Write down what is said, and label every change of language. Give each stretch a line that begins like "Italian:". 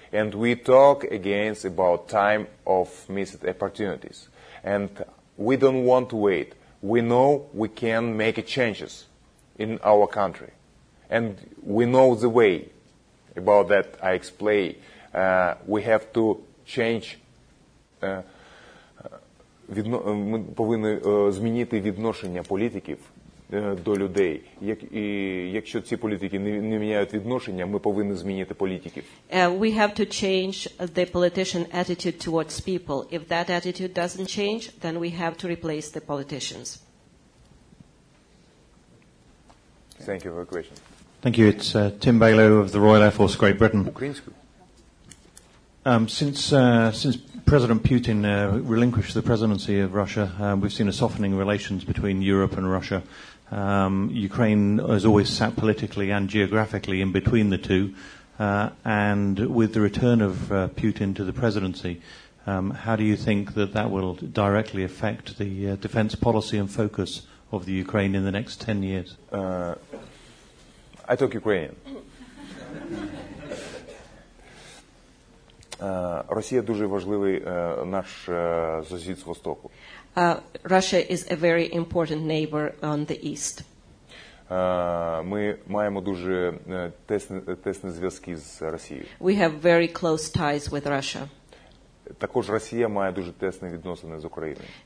English: And we talk again about time of missed opportunities. And we don't want to wait. We know we can make changes in our country. And we know the way about that I explain. We have to change.
Ukrainian: Ми повинні змінити відношення політиків до людей. І якщо ці політики не міняють відношення, ми повинні змінити політиків.
English: We have to change the politician attitude towards people. If that attitude doesn't change, then we have to replace the politicians. Thank you for your question. Thank you. It's Tim Baylow of the Royal Air Force, Great Britain. Since President Putin relinquished the presidency of Russia, we've seen a softening of relations between Europe and Russia. Ukraine has always sat politically and geographically in between the two. And with the return of Putin to the presidency, how do you think that will directly affect the defense policy and focus of the Ukraine in the next 10 years? I talk Ukrainian.
Ukrainian: Росія дуже важливий наш сусід з востоку.
English: Russia is a very important neighbor on the east.
Ukrainian: Ми маємо дуже тісні зв'язки з Росією.
English: We have very close ties with Russia.
Ukrainian: Також Росія має дуже тісні відносини з Україною.